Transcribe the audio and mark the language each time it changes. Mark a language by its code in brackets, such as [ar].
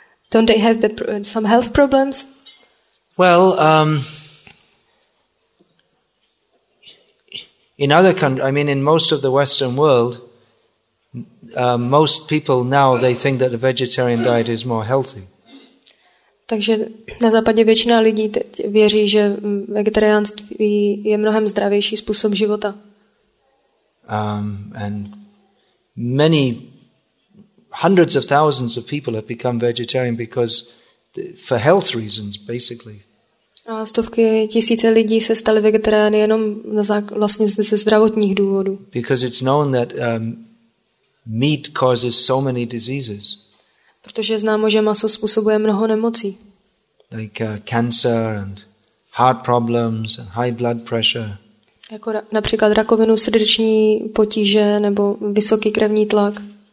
[en] Don't they have some health problems? Well, in other countries, I mean, in most of the Western world, most people now, they think that a vegetarian diet is more healthy. [cs] Takže na západě většina lidí teď věří, že vegetariánství je mnohem zdravější způsob života. [en] And many hundreds of thousands of people have become vegetarian because for health reasons basically. [cs] A stovky tisíce lidí se staly vegetariány jenom vlastně ze zdravotních důvodů. [en] Because it's known that meat causes so many diseases. [cs] Protože je známo, že maso způsobuje mnoho nemocí. [en] Like cancer and heart problems and high blood pressure. [cs] Jako například rakovinu srdeční potíže nebo vysoký krevní tlak.